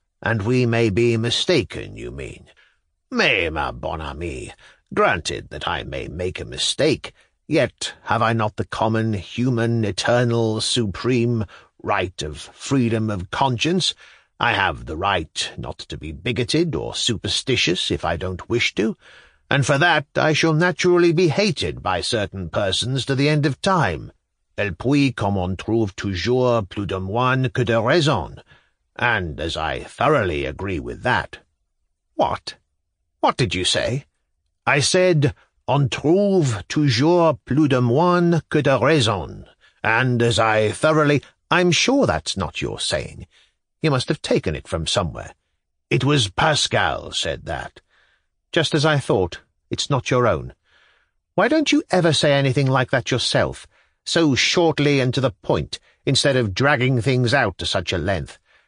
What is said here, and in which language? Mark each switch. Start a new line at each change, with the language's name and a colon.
English: And we may be mistaken, you mean.
French: Mais, ma bonne amie,
English: granted that I may make a mistake, yet have I not the common, human, eternal, supreme right of freedom of conscience? I have the right not to be bigoted or superstitious if I don't wish to, and for that I shall naturally be hated by certain persons to the end of time.
French: Et puis, comme on trouve toujours plus de moine que de raison.
English: And as I thoroughly agree with that. What? What did you say? I said,
French: on trouve toujours plus de moine que de raison.
English: And as I thoroughly... I'm sure that's not your saying. You must have taken it from somewhere. It was Pascal said that. Just as I thought, it's not your own. Why don't you ever say anything like that yourself, so shortly and to the point, instead of dragging things out to such a length?